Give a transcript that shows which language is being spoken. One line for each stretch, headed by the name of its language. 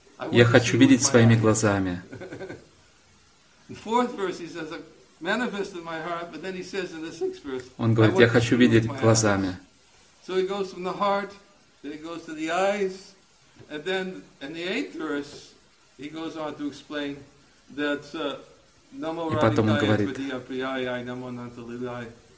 Russian: Я хочу видеть своими глазами.
English: Fourth verse he says, manifest in my heart, but then he says in the sixth verse,
Russian: он говорит, я хочу видеть глазами.
English: So he goes from the heart, then he goes to the eyes, and then in the eighth verse he goes on to explain that
Sanskrit: Namo Radhikaya Priyai Namo Nanta Lilaya.